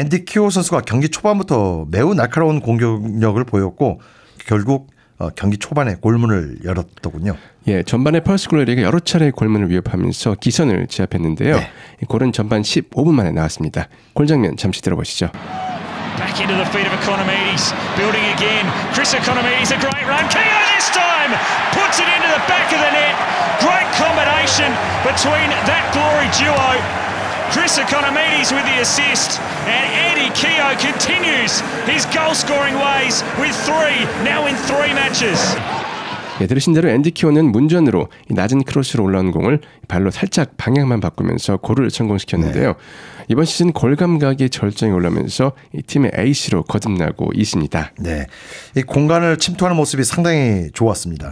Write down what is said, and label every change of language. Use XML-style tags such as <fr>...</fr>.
<ko>앤디 키오 선수가 경기 초반부터 매우 날카로운 공격력을 보였고 결국 경기 초반에 골문을 열었더군요. 예, 전반에 퍼스 글로리가 여러 차례 골문을 위협하면서 기선을 제압했는데요. 네. 골은 전반 15분 만에 나왔습니다. 골 장면 잠시 들어보시죠.</ko> <en>Back into the feet of Economides, building again. Chris Economides, a great run. Keo this time puts it into the back of the net. Great combination between that glory duo. Chris Economides with the assist and Eddie Keo continues his goal scoring ways with three, now in three matches.</en> <ko>예, 들으신 대로 앤디 키오는 문전으로 낮은 크로스로 올라온 공을 발로 살짝 방향만 바꾸면서 골을 성공시켰는데요. 네. 이번 시즌 골 감각이 절정에 올라면서 이 팀의 에이스로 거듭나고 있습니다. 네. 이 공간을 침투하는 모습이 상당히 좋았습니다.</ko>